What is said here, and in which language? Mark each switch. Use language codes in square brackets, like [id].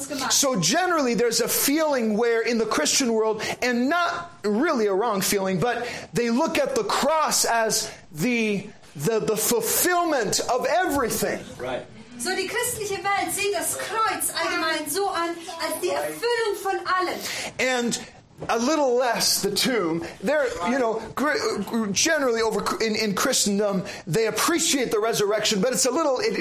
[en] So generally, there's a feeling where in the Christian world, and not really a wrong feeling, but they look at the cross as the fulfillment of everything. Right. [de] So die christliche Welt sieht das Kreuz allgemein so an, als die Erfüllung von allem. [en] And a little less the tomb. They're, you know, generally over in Christendom, they appreciate the resurrection, but it's a little.